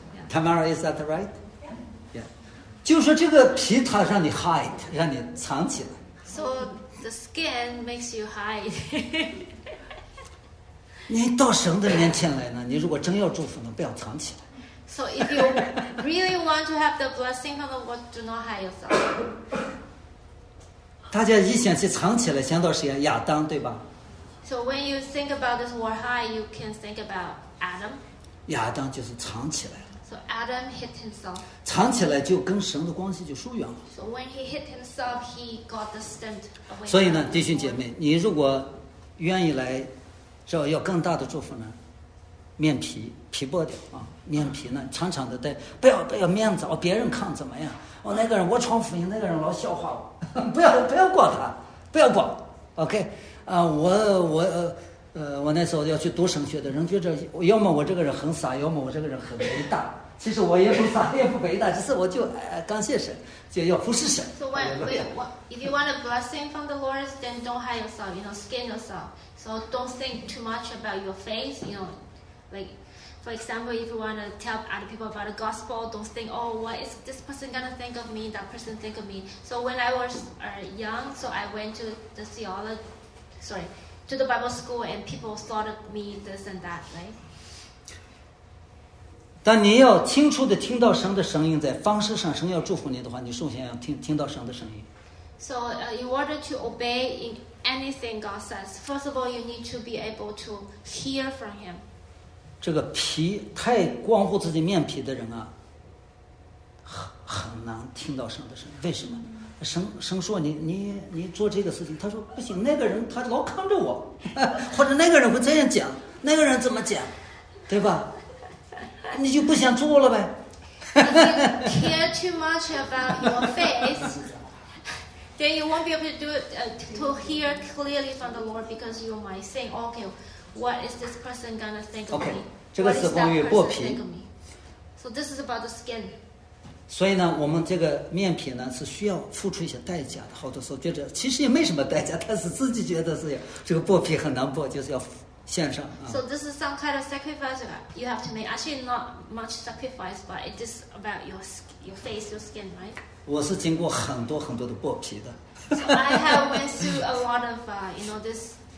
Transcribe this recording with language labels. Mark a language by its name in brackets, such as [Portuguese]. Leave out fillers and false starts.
[English] Yeah. Tamara, is that right? [Chinese] 就是这个皮它让你 hide， 让你藏起来。 [English] So the skin makes you hide. [Chinese] 你到神的面前来呢，你如果真要祝福呢，不要藏起来。 [English] So if you really want to have the blessing from the Lord, do not hide yourself. [Chinese] 大家一想起藏起来，想到谁啊？亚当，对吧？ [English] So when you think about this word hide, you can think about Adam. [Chinese] 亚当就是藏起来。 [English] So Adam hid himself. [Chinese] 藏起来就跟神的关系就疏远了。 [English] So when he hid himself, he got distant away. [Chinese] 所以呢，弟兄姐妹，你如果愿意来，是吧？要更大的祝福呢，面皮皮剥掉啊，面皮呢，常常的戴，不要面子哦，别人看怎么样？哦，那个人我传福音，那个人老笑话我，不要管他，不要管。 OK， 我那时候要去读神学的人觉得，要么我这个人很傻，要么我这个人很伟大。其实我也不傻，也不伟大，只是我就感谢神，就要服侍神。 [English] So if you want a blessing from the Lord, then don't hide yourself, you know, skin yourself. So don't think too much about your faith, you know. Like, for example, if you want to tell other people about the gospel, don't think, oh, what is this person going to think of me, that person think of me. So when I was young, so I went to the Bible school, and people thought of me this and that, right? [Chinese] 但你要清楚地听到神的声音，在方式上神要祝福你的话，你首先要听到神的声音。 [English] So in order to obey in anything God says, first of all, you need to be able to hear from Him. [Chinese] 这个皮太光乎自己面皮的人啊，很难听到神的声音。为什么？神说你做这个事情，他说不行，那个人他老看着我，或者那个人会这样讲，那个人怎么讲，对吧？你就不想做了呗。 [English] If you care too much about your face, then you won't be able to do it, to hear clearly from the Lord because you might think, okay, what is this person gonna think of me? [Chinese] Okay, 这个是关于剥皮。 [English] So this is about the skin. [Chinese] 所以呢，我们这个面皮呢是需要付出一些代价的。好多时候觉得其实也没什么代价，但是自己觉得是这个剥皮很难剥，就是要献上。 [English] So this is some kind of sacrifice you have to make. Actually, not much sacrifice, but it is about your face, your skin, right? [Chinese] 我是经过很多很多的剥皮的。 [English] So、I have went through a lot of you know this